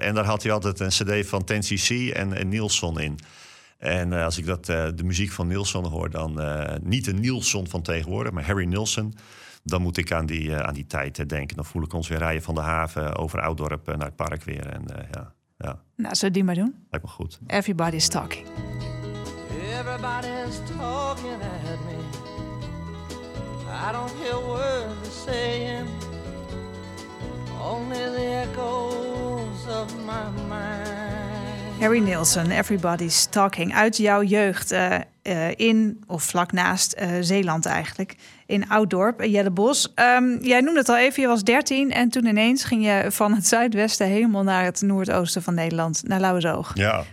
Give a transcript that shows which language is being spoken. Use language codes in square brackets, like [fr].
[nl] En daar had hij altijd een cd van 10cc en Nilsson in. En als ik dat de muziek van Nilsson hoor, dan niet de Nilsson van tegenwoordig, maar Harry Nilsson. Dan moet ik aan die tijd denken. Dan voel ik ons weer rijden van de haven over Ouddorp naar het park weer. En, ja. Nou, zullen we die maar doen? Lijkt me goed. [en] Everybody's talking. Everybody's talking at me. I don't hear words they're saying. Only the echoes of my mind. [nl] Harry Nilsson, Everybody's Talking, uit jouw jeugd in of vlak naast Zeeland eigenlijk, in Ouddorp, Jellebos. Jij noemde het al even, je was 13 en toen ineens ging je van het zuidwesten helemaal naar het noordoosten van Nederland, naar Lauwersoog. Ja.